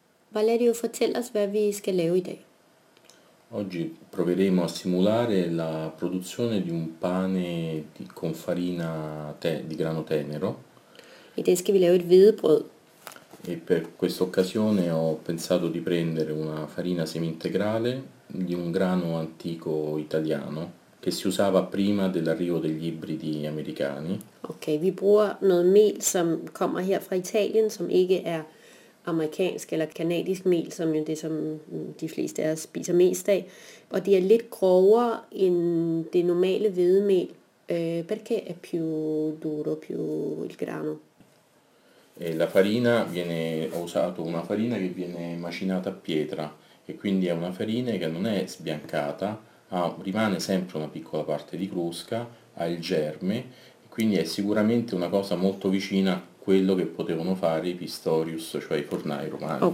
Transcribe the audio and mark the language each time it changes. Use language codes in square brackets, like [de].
[da] Valerio, fortæl os, hvad vi skal lave i dag. [it] Oggi proveremo a simulare la produzione di un pane di con farina di grano tenero. [da] I dag skal vi lave et hvedebrød. [it] E per questa occasione ho pensato di prendere una farina semi-integrale di un grano antico italiano che si usava prima dell'arrivo degli ibridi americani. [da] Okay, vi bruger noget mel, som kommer her fra Italien, som ikke er amerikansk eller kanadisk mel, som jo det, som de fleste af os spiser mest af. Og det er lidt grovere end det normale hvedemel. [it] Perché è più duro, più il grano? E la farina viene, ho usato una farina che viene macinata a pietra, e quindi è una farina che non è sbiancata, ma rimane sempre una piccola parte di crusca, ha il germe, quindi è sicuramente una cosa molto vicina a quello che potevano fare i pistorius, cioè i fornai romani.